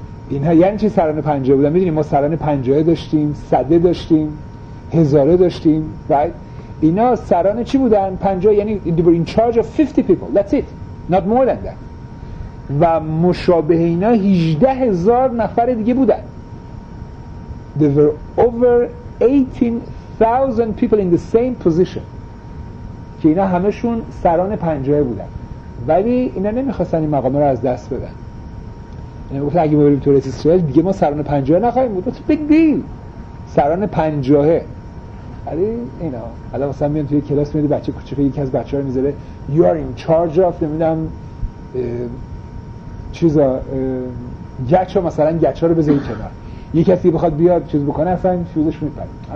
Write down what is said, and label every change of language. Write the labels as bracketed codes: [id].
[fa] اینها یعنی چه سران 50 بودن؟ میدونیم ما سران 50 داشتیم، صده داشتیم، هزاره داشتیم، right؟ اینا سران چی بودن؟ 50 یعنی [en] they were in charge of 50 people. That's it. Not more than that. [fa] و مشابه اینا 18,000 نفر دیگه بودن. [en] There were over 18,000 people in the same position. [fa] که اینا همشون سران 50 بودن. ولی اینا نمیخواستن این مقام رو از دست بدن. یعنی گفتن اگه ما بریم تو اسرائیل دیگه ما سران 50 نخواهیم بود. [en] That's a big deal. [fa] سران 50. علی اینا حالا مثلا میام توی کلاس میاد بچه کوچیکه یکی از بچه‌ها رو میذاره [en] you are in charge of [fa] نمیدونم چیزا گچا، مثلا گچا رو بذاری کنار، یه کسی بخواد بیاد چیز بکنه اصلا فیوزش میپره.